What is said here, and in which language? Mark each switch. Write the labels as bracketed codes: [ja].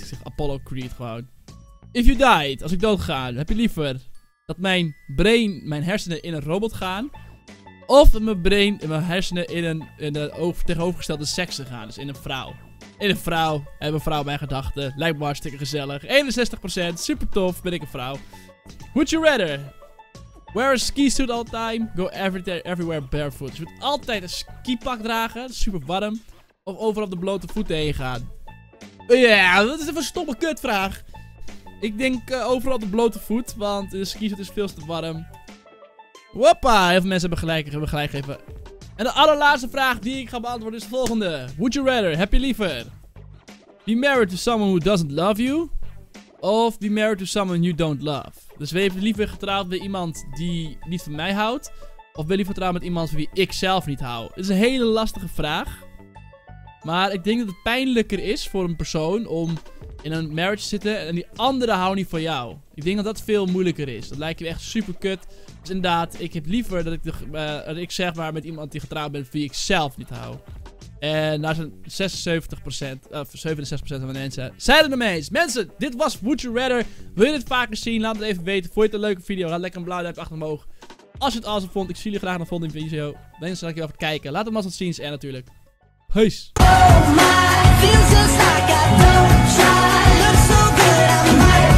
[nl] Ik zeg Apollo Creed gewoon. [en] If you died, [nl] als ik dood ga, heb je liever dat mijn brain, mijn hersenen in een robot gaan? Of mijn brain en mijn hersenen in een tegenovergestelde seks gaan? Dus in een vrouw. In een vrouw. Hebben een vrouw mijn gedachten. Lijkt me hartstikke gezellig. 61%. Super tof. Ben ik een vrouw. [en] Would you rather wear a ski suit all the time? Go everywhere barefoot. [nl] Dus je moet altijd een skipak dragen. Super warm. Of overal op de blote voeten heen gaan? Yeah, dat is even een stomme kutvraag. Ik denk overal de blote voet, want de ski suit is veel te warm. Hoppa, heel veel mensen hebben gelijk even. En de allerlaatste vraag die ik ga beantwoorden is de volgende. [en] Would you rather, [nl] heb je liever, [en] be married to someone who doesn't love you, of be married to someone you don't love? [nl] Dus wil je liever getrouwd met iemand die niet van mij houdt, of wil je liever getrouwd met iemand van wie ik zelf niet hou? Dat is een hele lastige vraag. Maar ik denk dat het pijnlijker is voor een persoon om in een marriage te zitten en die andere houdt niet van jou. Ik denk dat dat veel moeilijker is. Dat lijkt me echt super kut. Dus inderdaad, ik heb liever dat ik zeg maar met iemand die getrouwd bent wie ik zelf niet hou. En daar zijn 67% van de mensen. Zijn het ermee eens? Mensen, dit was Would You Rather. Wil je dit vaker zien? Laat het even weten. Vond je het een leuke video? Laat lekker een blauw duimpje achter omhoog. Als je het awesome vond, ik zie jullie graag nog volgende video. Mensen, dank je wel voor het kijken. Laat het maar eens ziens en natuurlijk. Peace. [en] Oh my, feels just like I don't try. Looks so good, I'm high.